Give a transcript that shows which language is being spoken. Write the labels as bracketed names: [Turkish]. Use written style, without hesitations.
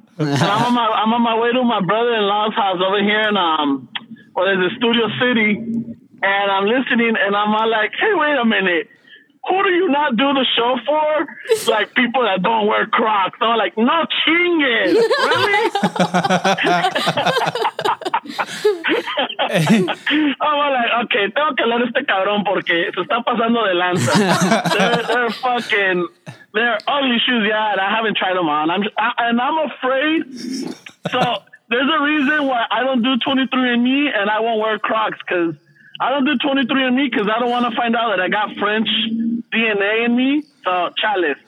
[English] And I'm on my way to my brother-in-law's house over here in, what is it, Studio City. And I'm listening and I'm all like, hey, wait a minute. Who do you not do the show for? Like, people that don't wear Crocs. So I'm like, [Spanish] no chingues. [English] Really? I'm like, okay, [Spanish] tengo que hablar este cabrón porque se está pasando de lanza. [English] They're fucking, they're ugly shoes, yeah, and I haven't tried them on. I'm afraid. So there's a reason why I don't do 23andMe and I won't wear Crocs because I don't do 23andMe because I don't want to find out that I got French DNA in me. So, chalice.